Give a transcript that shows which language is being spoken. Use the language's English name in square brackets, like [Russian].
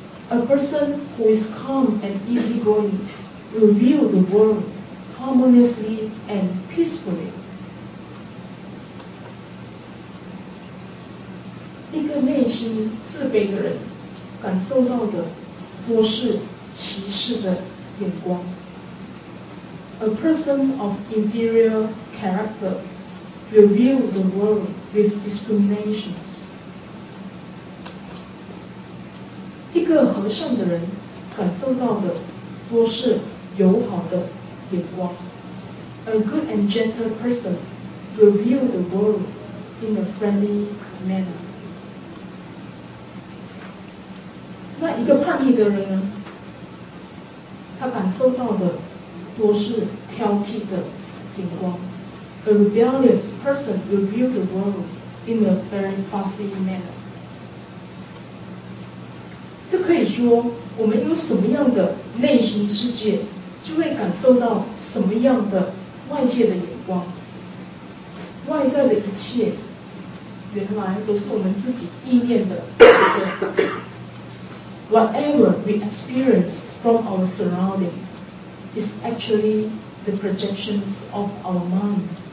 [English] A person who is calm and easygoing will view the world harmoniously and peacefully. [Chinese] 一个内心自卑的人感受到的多是歧视的眼光。 [English] A person of inferior character will view the world with discriminations. [Chinese] 一个和善的人感受到的多是友好的眼光。 [English] A good and gentle person will view the world in a friendly manner. [Chinese] 那一个叛逆的人呢，他感受到的多是挑剔的眼光。 [English] A rebellious person will view the world in a very fussy manner. [Chinese] 这可以说我们有什么样的内心世界，就会感受到什么样的外界的眼光。外在的一切原来都是我们自己意念的。 [English] Whatever we experience from our surrounding is actually the projections of our mind.